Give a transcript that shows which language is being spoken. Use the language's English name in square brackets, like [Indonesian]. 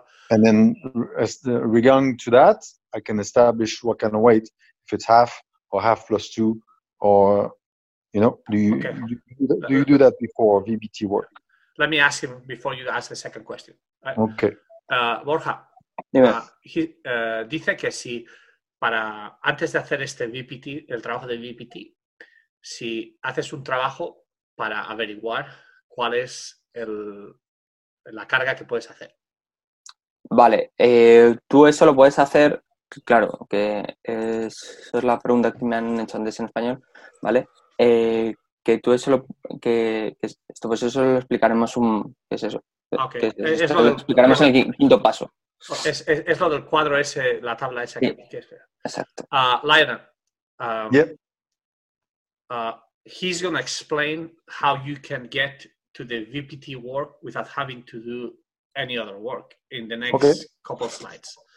[English] And then regarding to that, I can establish what kind of weight, if it's half or half plus two, or, do you do that before VBT work? Let me ask him before you ask the second question. Okay. Borja, yeah. [Spanish] Dice que si para antes de hacer este VBT, el trabajo de VBT, si haces un trabajo para averiguar cuál es la carga que puedes hacer. Vale, tú eso lo puedes hacer, claro, que eso es la pregunta que me han hecho antes en español, ¿vale? Que tú eso lo, que esto, pues eso lo explicaremos un, ¿qué es eso? [English] Okay. [Spanish] Que es lo del, explicaremos en el quinto paso. Es lo del cuadro ese, la tabla esa. Sí, que exacto. Lionel. [English] Yep. He's going to explain how you can get to the VPT work without having to do any other work in the next couple of slides.